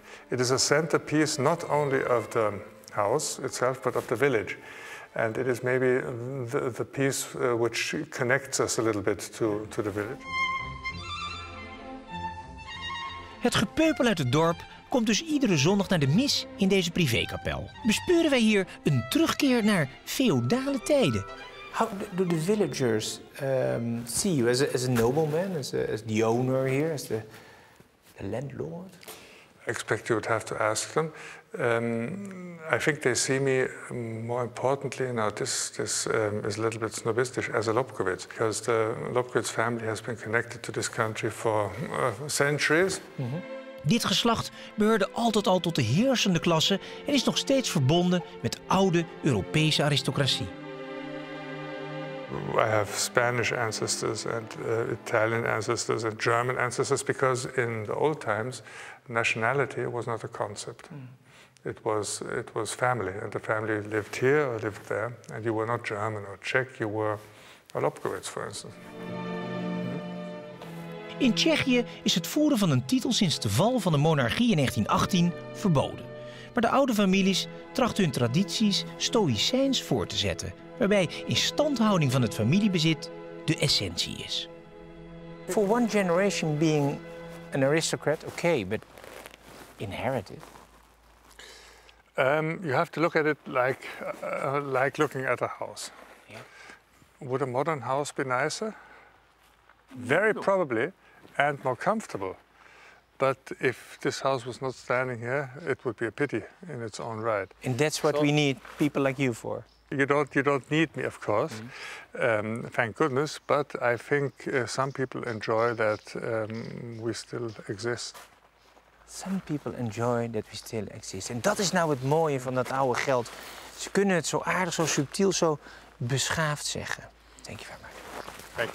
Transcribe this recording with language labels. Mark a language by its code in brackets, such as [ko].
[en] It is a centerpiece not only of the house itself, but of the village. And it is maybe the piece which connects us a little bit to the village. [nl] Het gepeupel uit het dorp komt dus iedere zondag naar de mis in deze privékapel. Bespeuren wij hier een terugkeer naar feodale tijden? [en] How do the villagers see you as a nobleman, as the owner here, as the landlord? I expect you would have to ask them. I think they see me more importantly, now this is a little bit snobistisch, as a Lobkowitz, because the Lobkowitz family has been connected to this country for centuries. Mm-hmm. [nl] Dit geslacht behoorde altijd al tot de heersende klasse en is nog steeds verbonden met oude Europese aristocratie. [en] I have Spanish ancestors and Italian ancestors and German ancestors because in the old times nationality was not a concept. It was family and the family lived here or lived there and you were not German or Czech, you were a Lobkowitz for instance. [nl] In Tsjechië is het voeren van een titel sinds de val van de monarchie in 1918 verboden. Maar de oude families trachten hun tradities stoïcijns voor te zetten, waarbij instandhouding van het familiebezit de essentie is. [en] For one generation being an aristocrat, okay, but inherited. You have to look at it like looking at a house. Yeah. Would a modern house be nicer? Very probably, and more comfortable. But if this house was not standing here, it would be a pity in its own right. And that's what we need people like you for. You don't need me, of course, thank goodness, but I think some people enjoy that we still exist. Some people enjoy that we still exist. [nl] En dat is nou het mooie van dat oude geld. Ze kunnen het zo aardig, zo subtiel, zo beschaafd zeggen. [en] Thank you very much.